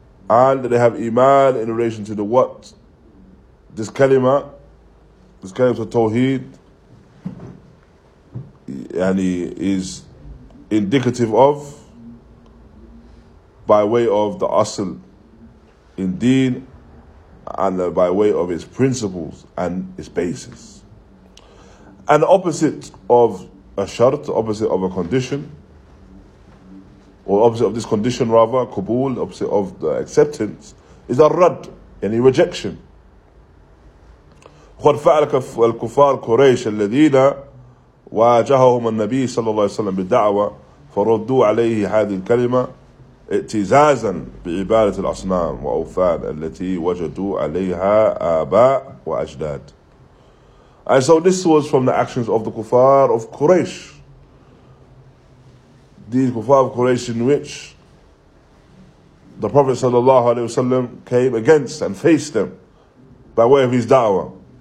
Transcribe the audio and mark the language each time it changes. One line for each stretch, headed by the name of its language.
English: And that they have iman in relation to the what? This kalima of tawheed, and he is indicative of, by way of the asl in deen, and by way of its principles and its basis. And the opposite of a shart, opposite of a condition, or opposite of this condition rather, qabul, opposite of the acceptance, is a rad, any rejection.
Arabic: قَدْ فَعَلَكَ الْكُفَارِ قُرَيْشَ الَّذِينَ واجههم النبي صلى الله عليه وسلم بالدعوة فردوا عليه هذه الكلمة اعتزازا بعبادة الأصنام وأوثان التي وجدوا عليها آباء وأجداد.
English: And so this was from the actions of the Kufar of Quraysh. These Kufar of Quraysh in which the Prophet
Arabic: صلى الله عليه وسلم
English: came against and faced them by way of his da'wah.